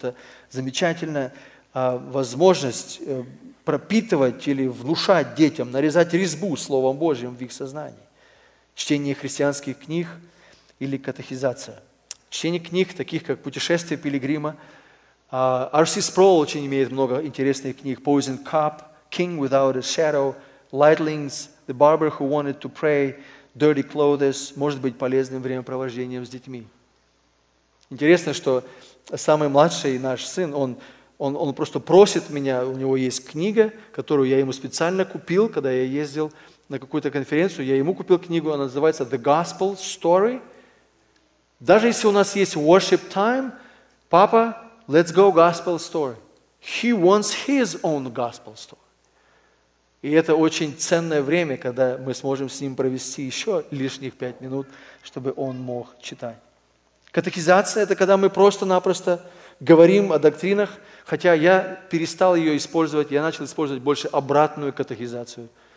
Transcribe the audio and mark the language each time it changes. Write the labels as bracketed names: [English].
[Russian] Это замечательная возможность пропитывать или внушать детям, нарезать резьбу Словом Божьим в их сознании. Чтение христианских книг или катехизация. Чтение книг, таких как «Путешествие пилигрима». R.C. Sproul очень имеет много интересных книг. «Poison Cup», «King Without a Shadow», «Lightlings», «The Barber Who Wanted to Pray», «Dirty Clothes» может быть полезным времяпровождением с детьми. Интересно, что самый младший наш сын, он просто просит меня, у него есть книга, которую я ему специально купил, когда я ездил на какую-то конференцию. Я ему купил книгу, она называется «The Gospel Story». Даже если у нас есть worship time, папа, [English] let's go gospel story. He wants his own gospel story. [Russian] И это очень ценное время, когда мы сможем с ним провести еще лишних 5 минут, чтобы он мог читать. Катехизация – это когда мы просто-напросто говорим о доктринах, хотя я перестал ее использовать, я начал использовать больше обратную катехизацию.